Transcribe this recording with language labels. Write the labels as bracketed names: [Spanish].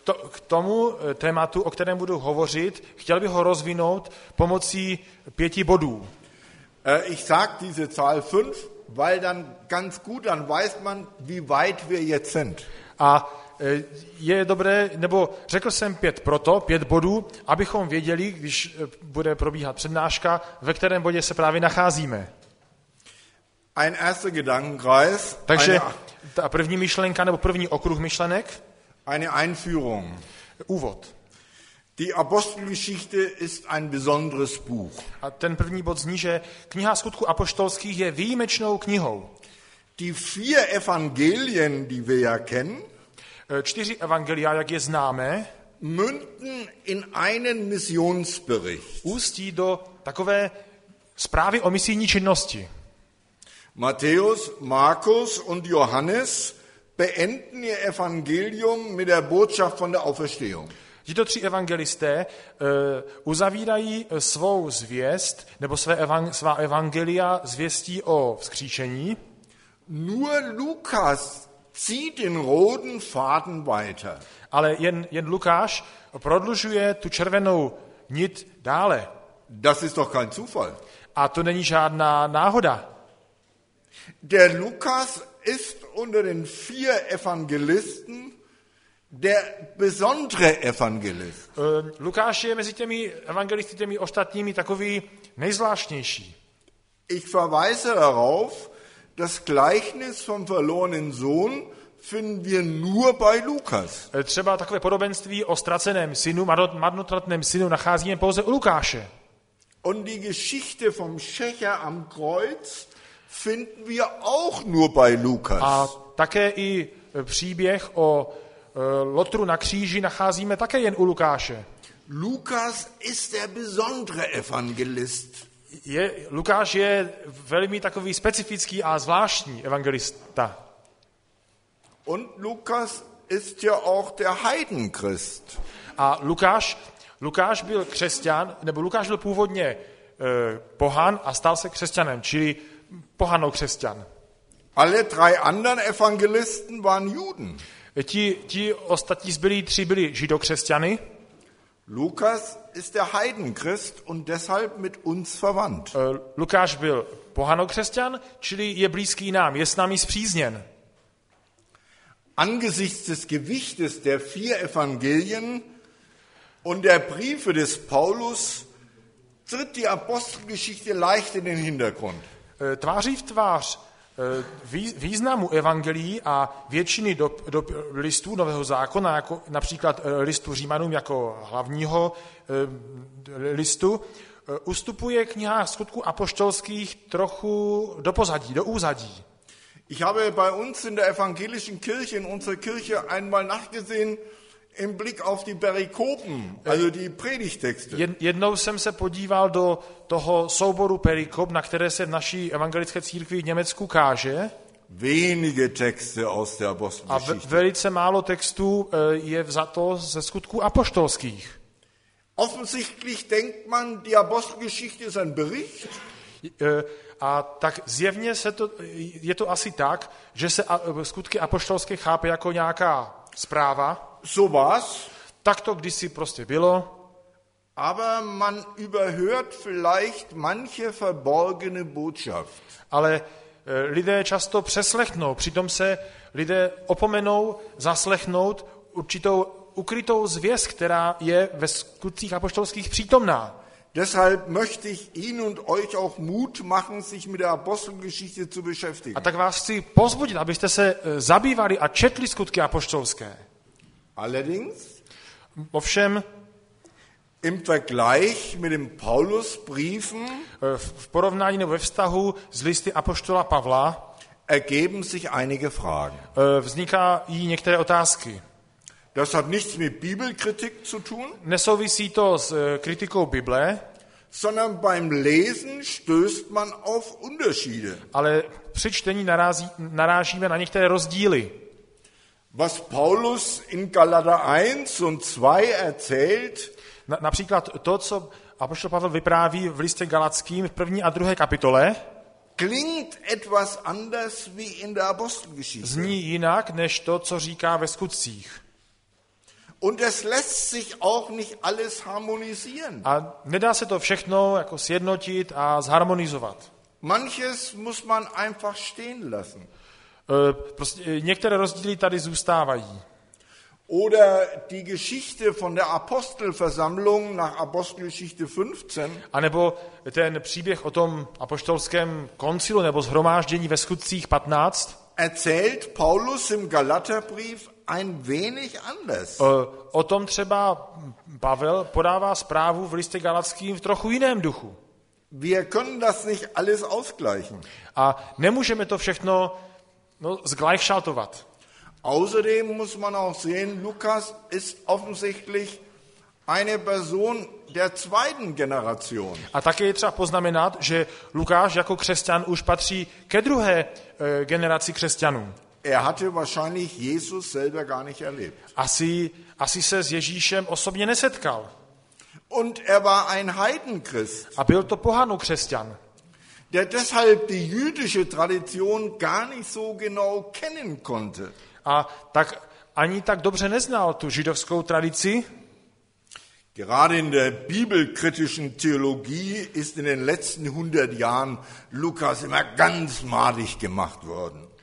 [Czech] K tomu tématu, o kterém budu hovořit, chtěl bych ho rozvinout pomocí pěti bodů. [German] Ich sag diese Zahl 5, weil dann ganz gut, dann weiß man, wie weit wir jetzt sind. [Czech] A je dobré, nebo řekl jsem pět bodů, abychom věděli, když bude probíhat přednáška, ve kterém bodě se právě nacházíme. [German] Ein erster Gedankenkreis. [Czech] Takže ta první myšlenka, nebo první okruh myšlenek. [German] Eine Einführung. [Czech] Úvod. [German] Die Apostelgeschichte ist ein besonderes Buch. [Czech] A ten první bod zní, že kniha skutků apoštolských je výjimečnou knihou. [German] Die vier Evangelien, die wir ja kennen, [Czech] čtyři evangelia, jak je známe, [German] münden in einen Missionsbericht. [Czech] Ústí do takové zprávy o misijní činnosti. [German] Matthäus, Markus und Johannes beenden ihr Evangelium mit der Botschaft von der Auferstehung. [Czech] Tito tři evangelisté uzavírají svou zvěst nebo svá evangelia zvěstí o vzkříšení. [German] Nur Lukas zieht den roten Faden weiter. [Czech] Ale jen Lukáš prodlužuje tu červenou nit dále. [German] Das ist doch kein Zufall. [Czech] A to není žádná náhoda. [German] Der Lukas ist unter den vier Evangelisten der besondere Evangelist. [Czech] Lukáš je mezi těmi evangelisty, těmi ostatními, takový nejzvláštnější. [German] Ich verweise darauf, das Gleichnis vom verlorenen Sohn finden wir nur bei Lukas. [Czech] Třeba takové podobenství o ztraceném synu, marnotratném synu nacházíme pouze u Lukáše. [German] Und die Geschichte vom Schächer am Kreuz finden wir auch nur bei Lukas. [Czech] A také i příběh o lotru na kříži nacházíme také jen u Lukáše. [German] Lukas ist der besondere Evangelist. [Czech] Lukáš je velmi takový specifický a zvláštní evangelista. [German] Und Lukas ist ja auch der Heidenchrist. [Czech] A Lukáš byl křesťan, nebo Lukáš byl původně pohan a stal se křesťanem, čili pohanou křesťan. [German] Alle drei anderen Evangelisten waren Juden. [Czech] Ti ostatní zbylí tři byli židokřesťany. [German] Lukas ist der Heidenchrist und deshalb mit uns verwandt. [Czech] Lukáš byl pohanokřesťan, čili je blízký nám, je s námi spřízněn. [German] angesichts des Gewichtes der vier Evangelien und der Briefe des Paulus tritt die Apostelgeschichte leicht in den Hintergrund. [Czech] Tváří v tvář významu evangelií a většiny do listů Nového zákona, jako například listu Římanům jako hlavního listu, ustupuje kniha Skutků apoštolských trochu do pozadí, do úzadí. [German] Ich habe bei uns in der evangelischen Kirche, in unserer Kirche, einmal nachgesehen im Blick auf die Perikopen, also die Predigtexte. [Czech] Jednou jsem se podíval do toho souboru Perikop, na které se v naší evangelické církvi v Německu káže. [German] Wenige Texte aus der Apostelgeschichte. [Czech] A velice málo textů je vzato ze Skutků apoštolských. [German] Offensichtlich denkt man, die Apostelgeschichte ist ein Bericht. [Czech] A tak zjevně se to, je to asi tak, že se Skutky apoštolské chápe jako nějaká zpráva. [German] So was? [Czech] Tak to kdysi prostě bylo. [German] Aber man überhört vielleicht manche verborgene Botschaft. [Czech] Ale lidé často přeslechnou, přitom se lidé opomenou zaslechnout určitou ukrytou zvěst, která je ve Skutcích apoštolských přítomná. [German] Deshalb möchte ich Ihnen und euch auch Mut machen, sich mit der Apostelgeschichte zu beschäftigen. [Czech] A tak vás chci pozbudit, abyste se zabývali a četli Skutky apoštolské. [German] Allerdings, [Czech] ovšem, [German] im Vergleich mit dem Paulusbriefen, [Czech] v porovnání nebo ve vztahu s listy apoštola Pavla, [German] ergeben sich einige Fragen. [Czech] Vznikají některé otázky. [German] Das hat nichts mit Bibelkritik zu tun. [Czech] Nesouvisí to s kritikou Bible. [German] Sondern beim Lesen stößt man auf Unterschiede. [Czech] Ale při čtení narážíme na některé rozdíly. [German] Was Paulus in Galater 1 und 2 erzählt. [Czech] Například to, co apoštol Pavel vypráví v listě Galackým v první a druhé kapitole. [German] Klingt etwas anders wie in der Apostelgeschichte. [Czech] Zní jinak než to, co říká ve Skutcích. [German] Und es lässt sich auch nicht alles harmonisieren. [Czech] A nedá se to všechno jako sjednotit a zharmonizovat. [German] Manches muss man einfach stehen lassen. [Czech] Prostě některé rozdíly tady zůstávají. [German] Oder die Geschichte von der Apostelversammlung nach Apostelgeschichte 15. [Czech] A nebo ten příběh o tom apoštolském koncilu nebo shromáždění ve Skutcích 15. [German] Erzählt Paulus im Galaterbrief ein wenig anders. [Czech] O tom třeba Pavel podává zprávu v listě Galackým v trochu jiném duchu. [German] Wir können das nicht alles ausgleichen. [Czech] A nemůžeme to všechno zgleichschaltovat. [German] Außerdem muss man auch sehen, Lukas ist offensichtlich eine Person der zweiten Generation. [Czech] A také je třeba poznamenat, že Lukáš jako křesťan už patří ke druhé generaci křesťanů. [German] Er hatte wahrscheinlich Jesus selber gar nicht erlebt. [Czech] Asi se s Ježíšem osobně nesetkal. [German] Und er war ein Heidenchrist. [Czech] A byl to pohanokřesťan. [German] Der deshalb die jüdische Tradition gar nicht so genau kennen konnte. [Czech] A tak ani tak dobře neznal tu židovskou tradici. [German] Gerade in der bibelkritischen Theologie ist in den letzten 100 Jahren Lukas immer ganz madig gemacht worden.